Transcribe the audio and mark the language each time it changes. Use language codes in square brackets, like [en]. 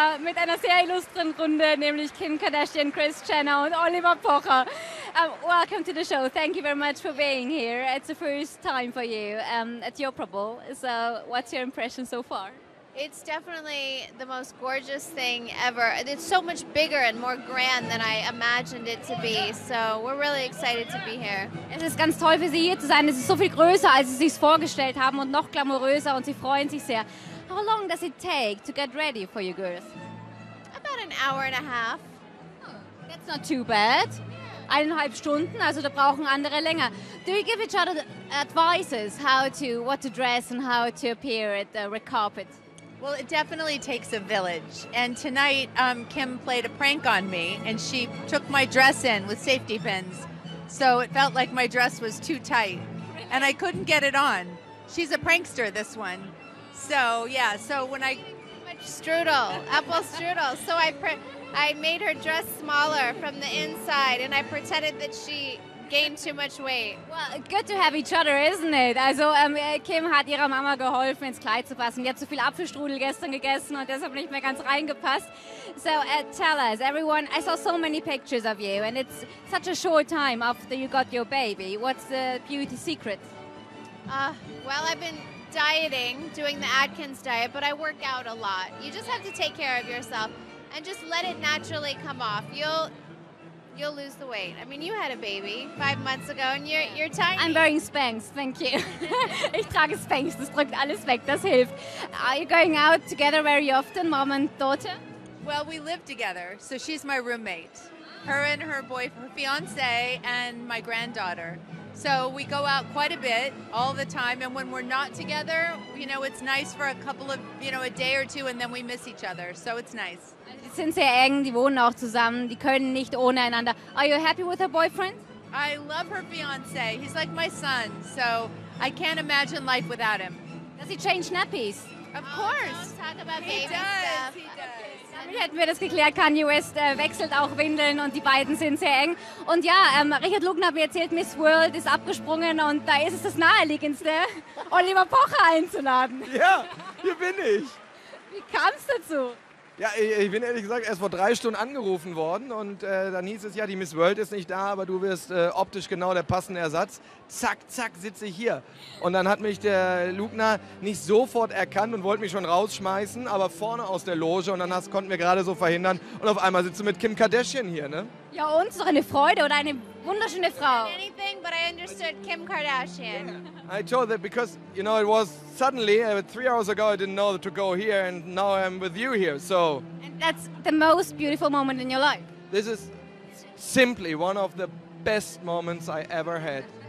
[de] Mit einer sehr illustren Runde, nämlich Kim Kardashian, Kris Jenner und Oliver Pocher. [en] Welcome to the show. Thank you very much for being here. It's the first time for you at the Opera Bowl. So what's your impression so far? It's definitely the most gorgeous thing ever. It's so much bigger and more grand than I imagined it to be. So we're really excited to be here. [de] Es ist ganz toll für Sie hier zu sein. Es ist so viel größer, als Sie es sich vorgestellt haben und noch glamouröser und Sie freuen sich sehr. [en] How long does it take to get ready for you girls? About an hour and a half. Oh, that's not too bad. [de] Eineinhalb Stunden, also da brauchen andere länger. [en] Do you give each other advices how to, what to dress and how to appear at the red carpet? Well, it definitely takes a village. And tonight, Kim played a prank on me, and she took my dress in with safety pins. So it felt like my dress was too tight, and I couldn't get it on. She's a prankster, this one. So, yeah, so when I... strudel, apple strudel. So I made her dress smaller from the inside, and I pretended that she... gained too much weight. Well, good to have each other, isn't it? [de] Also Kim hat ihrer Mama geholfen, ins Kleid zu passen. Sie hat zu viel Apfelstrudel gestern gegessen und deshalb nicht mehr ganz reingepasst. [en] So tell us, everyone, I saw so many pictures of you and it's such a short time after you got your baby. What's the beauty secret? Well, I've been dieting, doing the Atkins diet, but I work out a lot. You just have to take care of yourself and just let it naturally come off. You'll lose the weight. I mean, you had a baby 5 months ago and you're tiny. I'm wearing Spanx, thank you. [de] Ich trage Spanx, das drückt alles weg, das hilft. [en] Are you going out together very often, mom and daughter? Well, we live together, so she's my roommate. Her and her fiance and my granddaughter. So we go out quite a bit all the time, and when we're not together, you know, it's nice for a couple of, you know, a day or two, and then we miss each other. So it's nice. [de] Sie sind sehr eng, die wohnen auch zusammen, die können nicht ohne einander. [en] Are you happy with her boyfriend? I love her fiance. He's like my son, so I can't imagine life without him. Does he change nappies? Of course. Oh, don't talk about baby stuff. [de] Damit hätten wir das geklärt. Kanye West wechselt auch Windeln und die beiden sind sehr eng. Und ja, Richard Lugner hat mir erzählt, Miss World ist abgesprungen und da ist es das Naheliegendste, Oliver Pocher einzuladen. Ja, hier bin ich. Wie kam's dazu? Ja, ich bin ehrlich gesagt erst vor 3 Stunden angerufen worden und dann hieß es, ja, die Miss World ist nicht da, aber du wirst optisch genau der passende Ersatz. Zack, zack, sitze ich hier. Und dann hat mich der Lugner nicht sofort erkannt und wollte mich schon rausschmeißen, aber vorne aus der Loge und dann konnten wir gerade so verhindern und auf einmal sitzt du mit Kim Kardashian hier, ne? Ja, und ist doch eine Freude oder eine wunderschöne Frau. [en] I didn't say anything, but I understood Kim Kardashian. Yeah. I told that because, you know, it was suddenly, 3 hours ago I didn't know to go here and now I'm with you here, so. And that's the most beautiful moment in your life. This is simply one of the best moments I ever had.